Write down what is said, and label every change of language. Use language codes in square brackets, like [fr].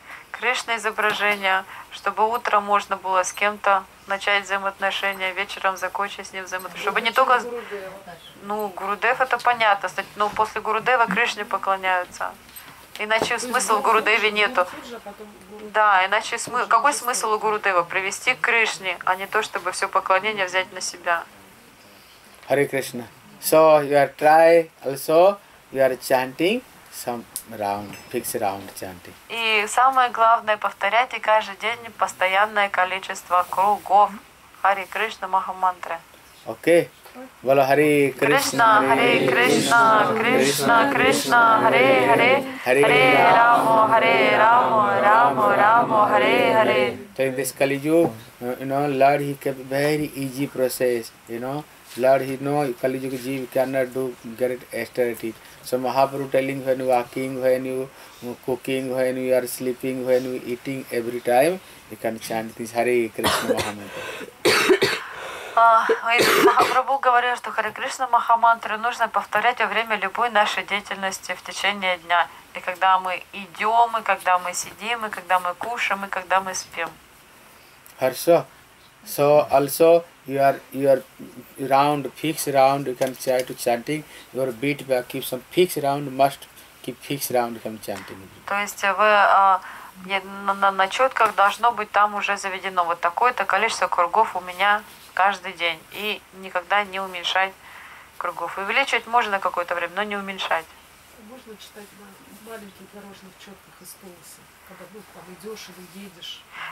[ru] Кришна изображение, чтобы утром можно было с кем-то начать взаимоотношения, вечером закончить с ним взаимоотношения. Чтобы не только... Ну, Гурудев это понятно. Но после Гурудева Кришне поклоняются. Иначе смысла в Гурудеве нету. Да, иначе смысл... Какой смысл у Гурудева? Привести к Кришне, а не то, чтобы все поклонение взять на себя. [en] Hare Krishna. So, you are try also, you are chanting some... Round, fixed round chanting. [ru] И самое главное повторять и каждый день постоянное количество кругов Хари Кришна Махамантры. Окей. Okay. Вала Хари Кришна, [sa] Хари Кришна, Кришна Кришна, Хари Хари, Хари Рамо, Хари Рамо, Рамо Рамо, Хари Хари. [en] So in this Kali Yuga, you know, Lord, he kept very easy process, you know. Lord, he know Kali Yuga Jeev cannot do, get austerity. So Mahaprabhu telling when you walking, when you cooking, when you are sleeping, when you eating every time, you can chant this Hare Krishna Mahamantra. [ru] Махапрабху говорил, что Харе Кришна Махамантру нужно повторять во время любой нашей деятельности в течение дня. И когда мы идем, и когда мы сидим, и когда мы кушаем, и когда мы спим. Хорошо. [en] So also you are round, fixed round, you can try to chanting. Your beat back keep some fixed round, must keep fixed round from chanting. [ru] То есть вы на четках должно быть там уже заведено. Вот такое-то количество кругов у меня каждый день, и никогда не уменьшать кругов. Увеличивать можно какое-то время, но не уменьшать. Можно читать в маленьких дорожных четках из полоса, когда там идешь или едешь.